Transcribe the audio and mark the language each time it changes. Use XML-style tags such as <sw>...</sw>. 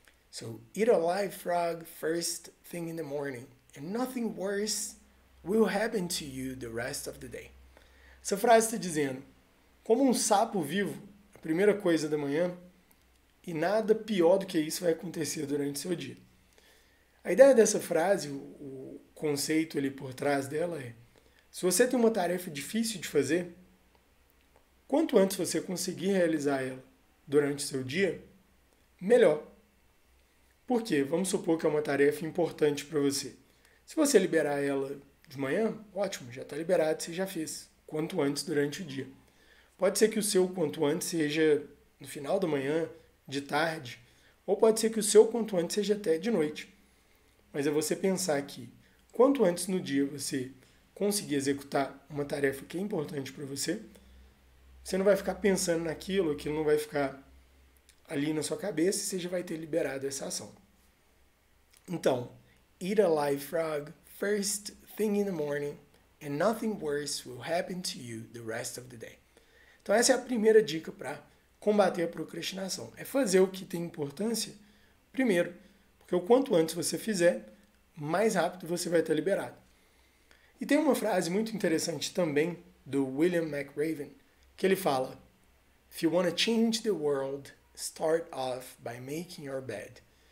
<en>So, eat a live frog first thing in the morning, and nothing worse will happen to you the rest of the day.</en> <pt>Essa frase está dizendo: como um sapo vivo, a primeira coisa da manhã, e nada pior do que isso vai acontecer durante o seu dia. A ideia dessa frase, o conceito ali por trás dela é: se você tem uma tarefa difícil de fazer, quanto antes você conseguir realizar ela durante o seu dia, melhor. Por quê? Vamos supor que é uma tarefa importante para você. Se você liberar ela de manhã, ótimo, já está liberado, você já fez. Quanto antes durante o dia. Pode ser que o seu quanto antes seja no final da manhã, de tarde, ou pode ser que o seu quanto antes seja até de noite. Mas é você pensar que quanto antes no dia você conseguir executar uma tarefa que é importante para você, você não vai ficar pensando naquilo, aquilo não vai ficar ali na sua cabeça e você já vai ter liberado essa ação. Então,</pt> <en>eat a live frog first thing in the morning and nothing worse will happen to you the rest of the day.</en> <pt>Então, essa é a primeira dica para combater a procrastinação. É fazer o que tem importância primeiro. Porque o quanto antes você fizer, mais rápido você vai estar liberado. E tem uma frase muito interessante também do William McRaven, que ele fala:</pt> <en>If you want to change the world, start off by making your bed.</en>